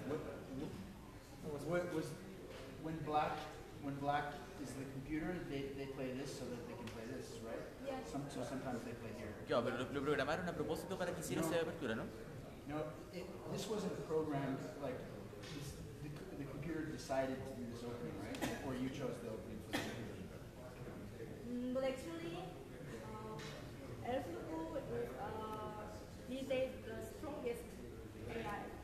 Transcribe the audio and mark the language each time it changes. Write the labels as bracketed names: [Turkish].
[English] When black is the computer, they play this so that they can play this, right? Yeah. So sometimes they play here. [Spanish] Yeah, pero lo programaron a propósito para que hiciera esa apertura, ¿no? [English] No, this wasn't programmed, like, the computer decided to do this opening, right? Or you chose the opening for the computer. But actually, Elfuku is these days the strongest AI.